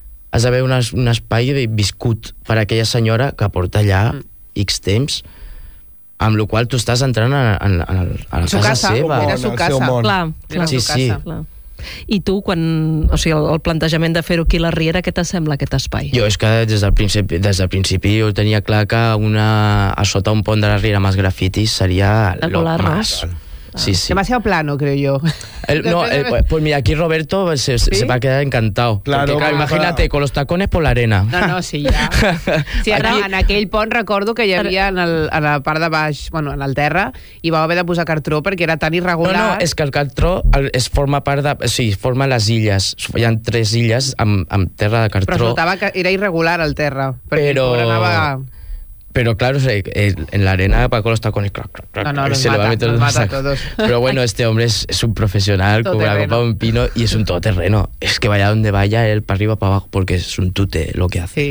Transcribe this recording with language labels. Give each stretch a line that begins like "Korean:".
Catalan: Has d'haver un espai viscut per aquella senyora que porta allà X temps, amb la qual tu estàs entrant a la casa seva.
Spanish: Era su casa.
Catalan: Clar. Sí, sí. Clar. I tu, quan, o sigui, el plantejament de fer-ho aquí a la Riera, què t'assembla aquest espai? Jo és que des del principi jo tenia clar que una, a sota un pont de la Riera amb els grafitis seria el mas. Sí, sí.
Spanish: Demasiado plano, creo yo. Pues mira, aquí Roberto se va a quedar encantado. Claro, porque, imagínate, con los tacones por la arena. No, sí, ya.
Catalan: Sí, ara, aquí... en aquell pont recordo que hi havia en la part de baix, bueno, en el terra, i vau haver de posar cartró perquè era tan irregular. No, és que el cartró es forma part de... Sí, forma les illes. Hi ha tres illes amb terra de cartró. Però resultava que era irregular el terra. Però...
Spanish: Pero claro, en la arena va con los tacones, se le va a meter los tacones. Pero bueno, este hombre es un profesional, como la copa de un pino, y es un todoterreno. Es que vaya donde vaya, él para arriba, para abajo, porque es un tute lo que hace.